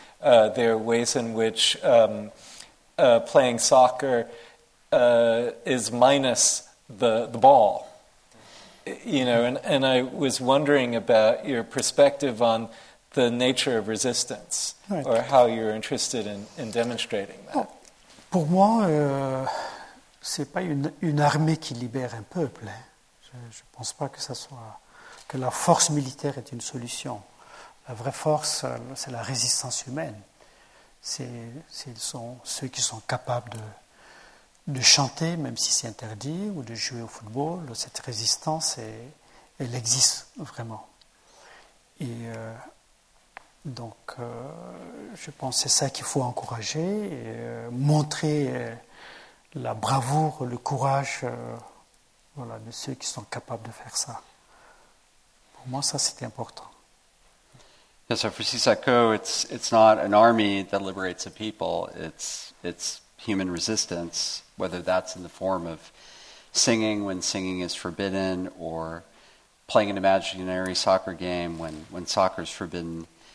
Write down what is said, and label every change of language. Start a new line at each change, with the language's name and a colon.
English: There are ways in which playing soccer is minus the ball. You know, and I was wondering about your perspective on the nature of resistance, right, or how you're interested in demonstrating that.
French: Pour moi, c'est pas une armée qui libère un peuple. Hein. Je pense pas que ça soit que la force militaire est une solution. La vraie force, c'est la résistance humaine. Ce sont ceux qui sont capables de chanter, même si c'est interdit, ou de jouer au football. Cette résistance elle existe vraiment. Et donc, je pense que c'est ça qu'il faut encourager, et, montrer la bravoure, le courage voilà, de ceux qui sont capables de faire ça. Pour moi, ça, c'est important.
English: Yeah, so for Sisako, it's not an army that liberates a people. It's human resistance, whether that's in the form of singing when singing is forbidden, or playing an imaginary soccer game when soccer is forbidden.